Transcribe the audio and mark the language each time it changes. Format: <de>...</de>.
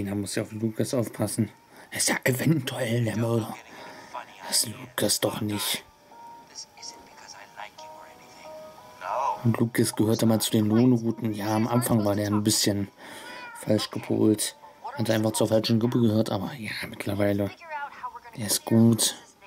<de>Einer muss ja auf Lucas aufpassen. Er ist ja eventuell der Mörder. Das ist Lucas doch nicht.</de> <en>This isn't because I like you or anything. No.</en> <de>Und Lucas gehörte mal zu den Lohnrouten. Ja, am Anfang war der ein bisschen falsch gepolt. Hat einfach zur falschen Gruppe gehört, aber ja, mittlerweile. Der ist gut.</de>